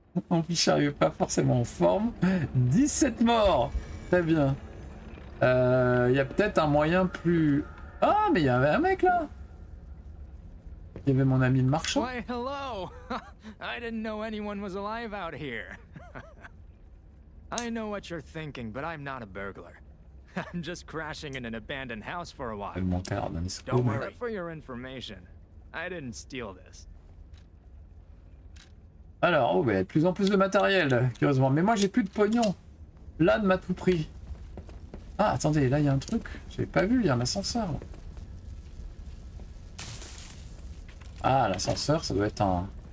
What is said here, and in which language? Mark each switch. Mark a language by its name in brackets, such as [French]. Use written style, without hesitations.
[French] Mon fichier n'arrive pas forcément en forme. 17 morts. Très bien. Il y a peut-être un moyen plus... Ah, mais il y avait un mec là. Il y avait mon ami le marchand. [English] Why, hello. I didn't know anyone was alive out here. I know what you're thinking, but I'm not a burglar. I'm just crashing in an abandoned house for a while. Don't worry. For your information, I didn't steal this. [French] Alors, oh, mais de plus en plus de matériel, curieusement. Mais moi, j'ai plus de pognon. L'âne m'a tout pris. Ah, attendez, là, il y a un truc. J'avais pas vu, il y a un ascenseur. Ah, l'ascenseur, ça doit être un...